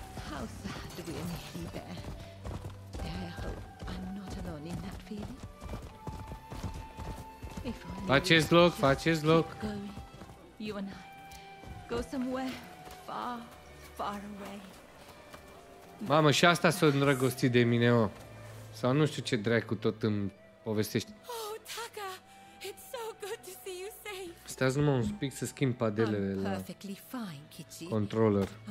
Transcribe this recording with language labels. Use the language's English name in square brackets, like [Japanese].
[English] How sad we are nearly there. Dare hope I'm not alone in that feeling. [Romanian] Faceți loc. [English] You and I go somewhere far, far away. [Romanian] Mamă, și asta s-a îndrăgostit de mine, o. Sau nu știu ce dracu tot îmi povestești. [English] Oh, Taka, it's so good to see you safe. [Romanian] Stai numai un pic să schimb padelele la controller.